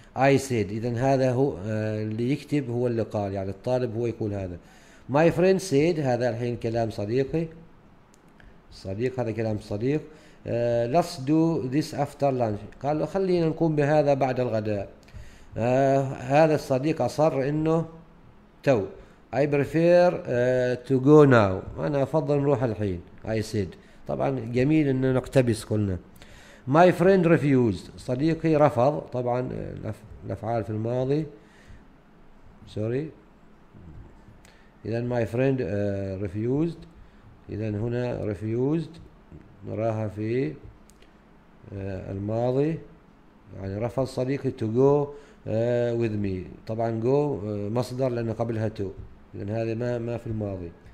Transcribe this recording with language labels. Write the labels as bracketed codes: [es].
[en] I said، [ar] إذن هذا هو اللي يكتب، هو اللي قال يعني الطالب هو يقول هذا. [en] My friend said، [ar] هذا الحين كلام صديقي، صديق هذا كلام صديق. [en] Let's do this after lunch، [ar] قال خلينا نقوم بهذا بعد الغداء. هذا الصديق أصر إنه تو. [en] I prefer to go now، [ar] أنا أفضل نروح الحين. [en] I said، [ar] طبعا جميل إنه نقتبس كلنا. [en] My friend refused، [ar] صديقي رفض، طبعا الأفعال في الماضي، [en] sorry. [ar] إذن [en] my friend refused، [ar] إذن هنا refused نراها في الماضي، يعني رفض صديقي [en] to go with me، [ar] طبعا go مصدر لأنه قبلها to، إذن هذا ما في الماضي.